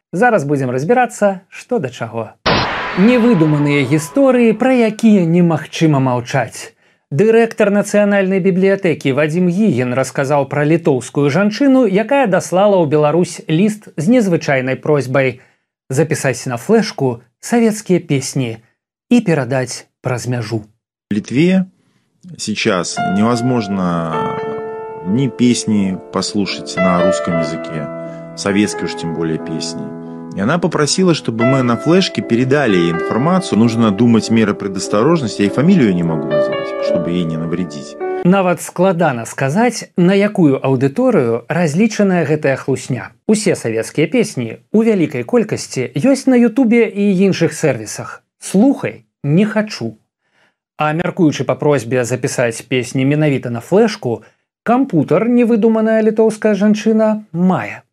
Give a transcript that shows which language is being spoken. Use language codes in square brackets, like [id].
[be] Зараз будзем разбірацца, што да чаго. Невыдуманыя гісторыі, пра якія немагчыма маўчаць. Дырэктар нацыянальнай бібліятэкі Вадзім Гігін расказаў пра літоўскую жанчыну, якая даслала ў Беларусь ліст з незвычайнай просьбай запісаць на флэшку савецкія песні і перадаць праз мяжу. [ru] В Литве сейчас невозможно ни песни послушать на русском языке, советские уж тем более песни. И она попросила, чтобы мы на флешке передали ей информацию. Нужно думать меры предосторожности. Я и фамилию не могу назвать, чтобы ей не навредить. [be] Нават складана сказаць, на якую аўдыторыю разлічаная гэтая хлусня. Усе савецкія песні у вялікай колькасці ёсць на Ютубе і іншых сервісах. Слухай, не хачу. А мяркуючы па просьбе запісаць песні менавіта на флешку, кампутар, невыдуманая літоўская жанчына, мае.